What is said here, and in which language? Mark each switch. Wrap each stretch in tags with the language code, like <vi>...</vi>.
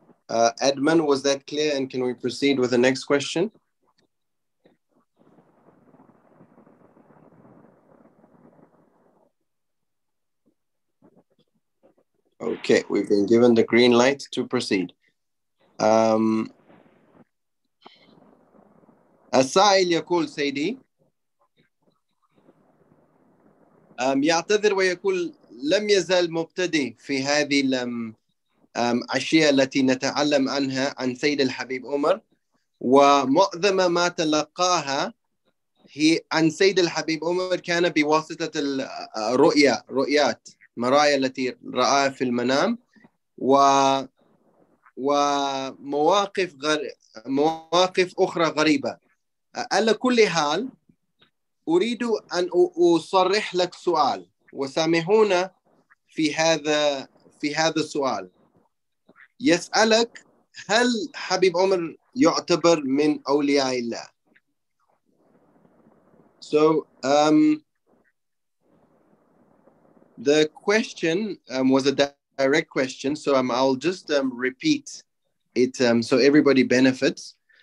<en>Admin, was that clear? And can we proceed with the next question? Okay, we've been given the green light to proceed.</en> <ar>السائل يقول سيدي يعتذر ويقول لم يزال مبتدئ في هذه الأشياء التي نتعلم عنها عن سيد الحبيب عمر ومعظم ما تلقاها هي عن سيد الحبيب عمر كان بواسطة الرؤيا رؤيات مرايا التي رآها في المنام ومواقف مواقف أخرى غريبة. على كل حال أريد أن أصرح لك سؤال وسامحونا في هذا السؤال. يسألك هل حبيب عمر يعتبر من أولياء الله؟</ar> <en>So the question was a direct question, so I'll just repeat it so everybody benefits.</en>